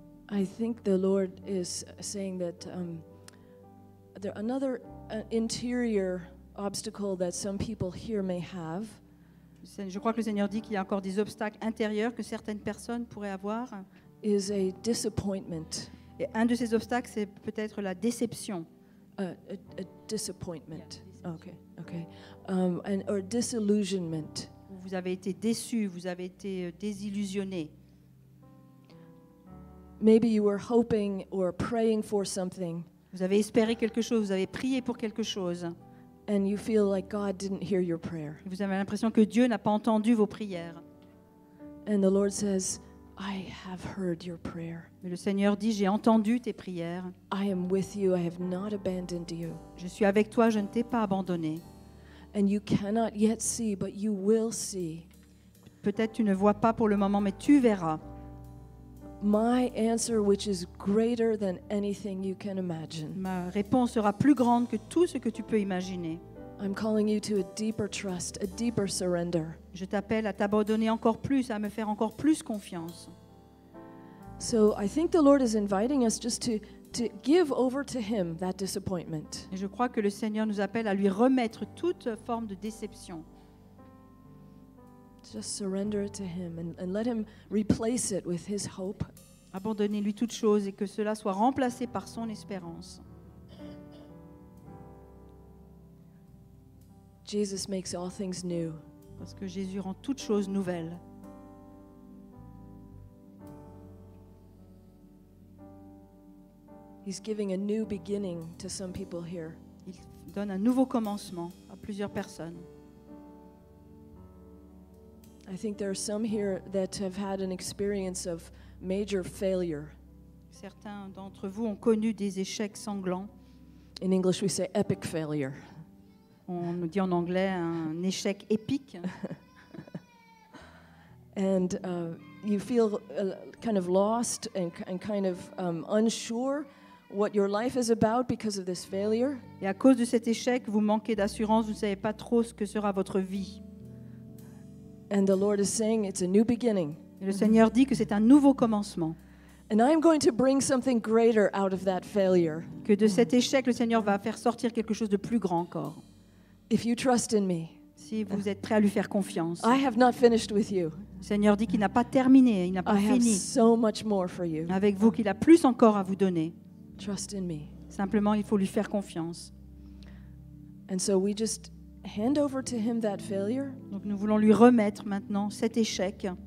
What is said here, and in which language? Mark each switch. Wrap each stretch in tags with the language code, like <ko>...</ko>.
<en>I think the Lord is saying that there another interior obstacle that some people here may have.</en> <fr>Je crois que le Seigneur dit qu'il y a encore des obstacles intérieurs que certaines personnes pourraient avoir.</fr> <en>Is a disappointment.</en> <fr>Et un de ces obstacles, c'est peut-être la déception.</fr> <en>A disappointment. Yeah, okay, okay. Or disillusionnement.</en> <fr>Vous avez été déçu, vous avez été désillusionné.</fr> <en>Maybe you were hoping or praying for something.</en> <fr>Vous avez espéré quelque chose, vous avez prié pour quelque chose.</fr> <en>And you feel like God didn't hear your prayer.</en> <fr>Vous avez l'impression que Dieu n'a pas entendu vos prières.</fr> <en>And the Lord says, I have heard your prayer.</en> <fr>Mais le Seigneur dit, j'ai entendu tes prières.</fr> <en>I am with you. I have not abandoned you.</en> <fr>Je suis avec toi. Je ne t'ai pas abandonné.</fr> <en>And you cannot yet see, but you will see.</en> <fr>Peut-être tu ne vois pas pour le moment, mais tu verras.</fr> <en>My answer, which is greater than anything you can imagine.</en> <fr>Ma réponse sera plus grande que tout ce que tu peux imaginer.</fr> <en>I'm calling you to a deeper trust, a deeper surrender.</en> <fr>Je t'appelle à t'abandonner encore plus, à me faire encore plus confiance.</fr> <en>So I think the Lord is inviting us just to give over to him that disappointment.</en> <fr>Et je crois que le Seigneur nous appelle à lui remettre toute forme de déception.</fr> <en>Just surrender it to him and let him replace it with his hope.</en> <fr>Abandonnez-lui toute chose et que cela soit remplacé par son espérance.</fr> <en>Jesus makes all things new.</en> <fr>Parce que Jésus rend toutes choses nouvelles.</fr> <en>He's giving a new beginning to some people here.</en> <fr>Il donne un nouveau commencement à plusieurs personnes.</fr> <en>I think there are some here that have had an experience of major failure.</en> <fr>Certains d'entre vous ont connu des échecs sanglants.</fr> <en>In English we say epic failure.</en> <fr>On nous dit en anglais un échec épique.</fr> <en>And you feel kind of lost and kind of unsure what your life is about because of this failure.</en> <fr>Et à cause de cet échec, vous manquez d'assurance, vous ne savez pas trop ce que sera votre vie.</fr> <en>And the Lord is saying it's a new beginning.</en> <fr>Et le Seigneur dit que c'est un nouveau commencement.</fr> <en>And I'm going to bring something greater out of that failure.</en> <fr>Que de cet échec, le Seigneur va faire sortir quelque chose de plus grand encore.</fr> <en>If you trust in me,</en> <fr>si vous êtes prêt à lui faire confiance,</fr> <en>I have not finished with you.</en> <fr>Le Seigneur dit qu'il n'a pas terminé, il n'a pas</fr> <en>I</en> <fr>fini.</fr> <en>Have so much more for you.</en> <fr>Avec vous, qu'il a plus encore à vous donner.</fr> <en>Trust in me.</en> <fr>Simplement, il faut lui faire confiance.</fr> <en>And so we just hand over to him that failure.</en> <fr>Donc nous voulons lui remettre maintenant cet échec.</fr>